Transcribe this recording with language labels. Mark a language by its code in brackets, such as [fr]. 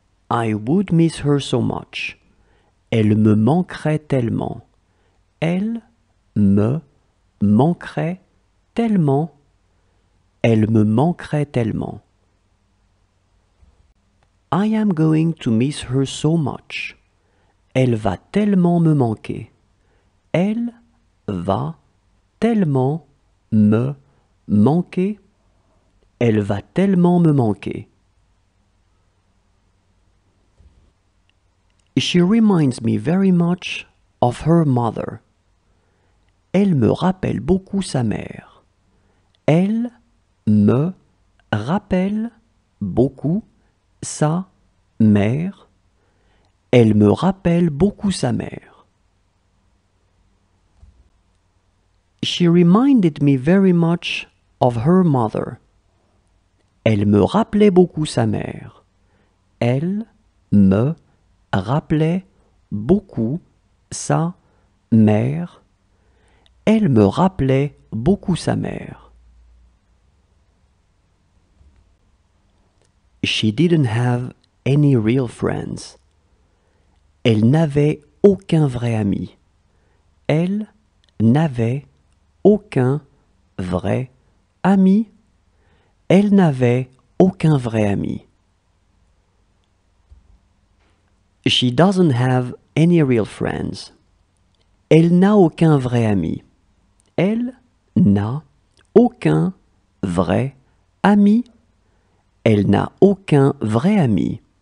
[en] I would miss her so much. [fr] Elle me manquerait tellement. Elle me manquerait tellement. Elle me manquerait tellement. [en] I am going to miss her so much. [fr] Elle va tellement me manquer. Elle va tellement me manquer. Elle va tellement me manquer. [en] She reminds me very much of her mother. [fr] Elle me rappelle beaucoup sa mère. Elle me rappelle beaucoup sa mère. Elle me rappelle beaucoup sa mère. [en] She reminded me very much of her mother. [fr] Elle me rappelait beaucoup sa mère. Elle me rappelait beaucoup sa mère. Elle me rappelait beaucoup sa mère. [en] She didn't have any real friends. [fr] Elle n'avait aucun vrai ami. Elle n'avait aucun vrai ami. Elle n'avait aucun vrai ami. [en] She doesn't have any real friends. [fr] Elle n'a aucun vrai ami. Elle n'a aucun vrai ami. Elle n'a aucun vrai ami.